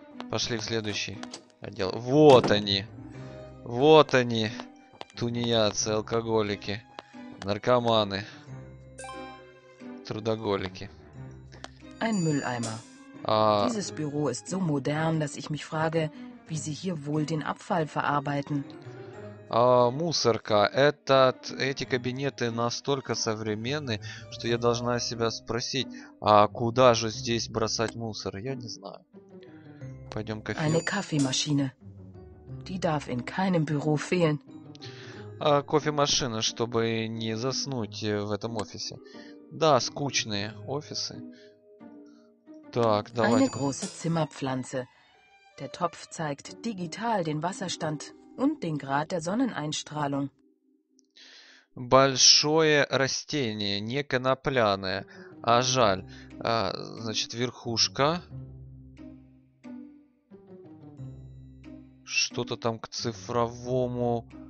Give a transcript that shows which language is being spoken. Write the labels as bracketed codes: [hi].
[ru] Пошли в следующий отдел. Вот они. Вот они. Тунеядцы, алкоголики, наркоманы, трудоголики. [de] Ein Mülleimer. Dieses Büro ist so modern, dass ich mich frage, wie sie hier wohl den Abfall verarbeiten. [ru] Мусорка. Этот, эти кабинеты настолько современны, что я должна себя спросить, а куда же здесь бросать мусор? Я не знаю. Пойдем кофе. [de] Eine Kaffeemaschine. Die darf in keinem Büro fehlen. [ru] Кофемашина, чтобы не заснуть в этом офисе. Да, скучные офисы. Так, давай. [de] Eine große Zimmerpflanze. Der Topf zeigt digital den Wasserstand und den Grad der Sonneneinstrahlung. [ru] Большое растение, не конопляное. А жаль. Значит, верхушка. Что-то там к цифровому.